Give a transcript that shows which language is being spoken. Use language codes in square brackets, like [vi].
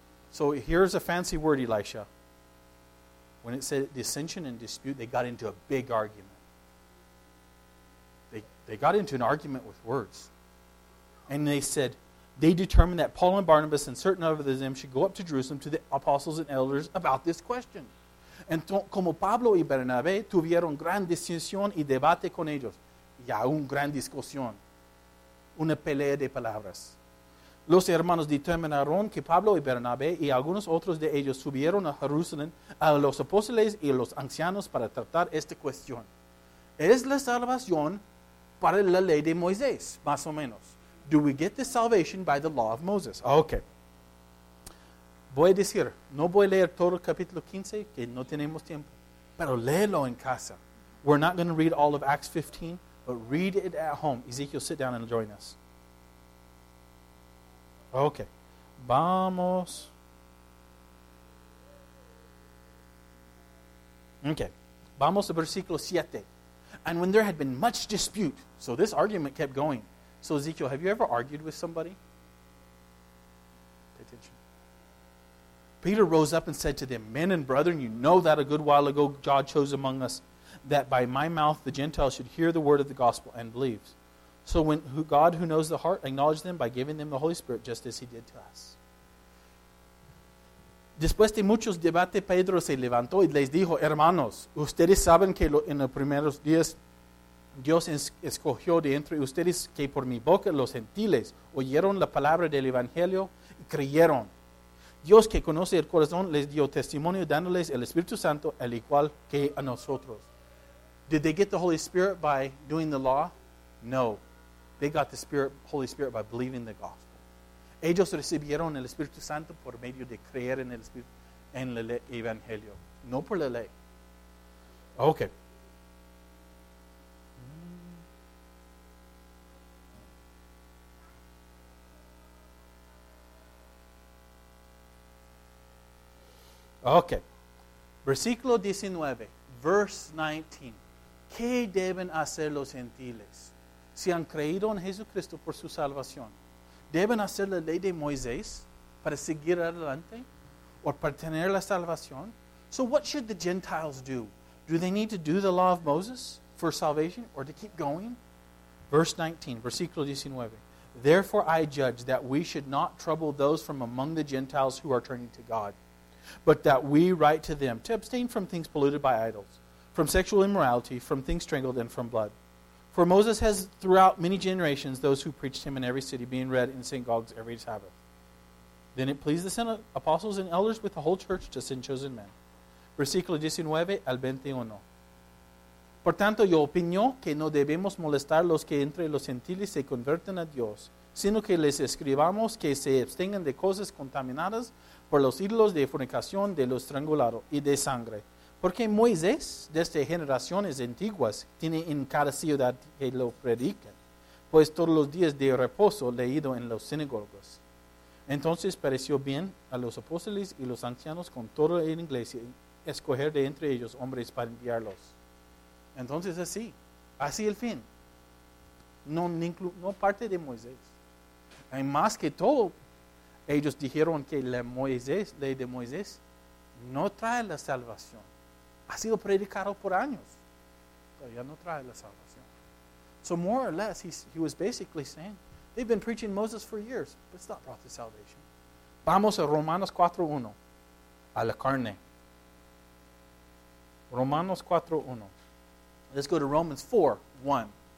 [en] So here's a fancy word, Elisha. When it said dissension and dispute, they got into a big argument. They got into an argument with words. And they said, they determined that Paul and Barnabas and certain others of them should go up to Jerusalem to the apostles and elders about this question. [es] Entonces, como Pablo y Bernabé tuvieron gran disensión y debate con ellos, y aún gran discusión, una pelea de palabras. Los hermanos determinaron que Pablo y Bernabé y algunos otros de ellos subieron a Jerusalén a los apóstoles y a los ancianos para tratar esta cuestión. ¿Es la salvación para la ley de Moisés, más o menos? [en] Do we get the salvation by the law of Moses? Okay. [es] Voy a decir, no voy a leer todo el capítulo 15, que no tenemos tiempo, pero léelo en casa. [en] We're not going to read all of Acts 15, but read it at home. Ezekiel, sit down and join us. [es] Okay. Vamos. Okay. Vamos a versículo 7. [en] And when there had been much dispute, so this argument kept going. So Ezekiel, have you ever argued with somebody? Pay attention. Peter rose up and said to them, Men and brethren, you know that a good while ago God chose among us that by my mouth the Gentiles should hear the word of the gospel and believe. So when God, who knows the heart, acknowledged them by giving them the Holy Spirit just as he did to us. [es] Después de muchos debates, Pedro se levantó y les dijo, Hermanos, ustedes saben que en los primeros días Dios escogió de entre ustedes que por mi boca los gentiles oyeron la palabra del evangelio y creyeron. Dios que conoce el corazón les dio testimonio dándoles el Espíritu Santo al igual que a nosotros. [en] Did they get the Holy Spirit by doing the law? No. They got the Spirit, Holy Spirit by believing the gospel. [es] Ellos recibieron el Espíritu Santo por medio de creer en el Espíritu, en el Evangelio. No por la ley. Okay. Okay, Versículo 19, [en] verse 19. [es] ¿Qué deben hacer los gentiles? Si han creído en Jesucristo por su salvación, ¿deben hacer la ley de Moisés para seguir adelante o para tener la salvación? [en] So what should the Gentiles do? Do they need to do the law of Moses for salvation or to keep going? Verse 19, [es] versículo 19. [en] Therefore I judge that we should not trouble those from among the Gentiles who are turning to God, but that we write to them to abstain from things polluted by idols, from sexual immorality, from things strangled, and from blood. For Moses has throughout many generations those who preached him in every city being read in synagogues every Sabbath. Then it pleased the Senate, apostles and elders with the whole church to send chosen men. [es] Versículo 19 al 21. Por tanto, yo opino que no debemos molestar los que entre los gentiles se convierten a Dios, sino que les escribamos que se abstengan de cosas contaminadas por los ídolos de fornicación, de lo estrangulado y de sangre. Porque Moisés, desde generaciones antiguas, tiene en cada ciudad que lo predica, pues todos los días de reposo leído en los sinagogos. Entonces pareció bien a los apóstoles y los ancianos con toda la iglesia escoger de entre ellos hombres para enviarlos. Entonces así, así el fin. No parte de Moisés. Y más que todo, ellos dijeron que la Moisés, ley de Moisés no trae la salvación. Ha sido predicado por años, pero ya no trae la salvación. [en] So more or less, he was basically saying, they've been preaching Moses for years, but it's not brought to salvation. [es] Vamos a Romanos 4:1, a la carne. [en] Romanos 4:1. Let's go to Romans 4:1.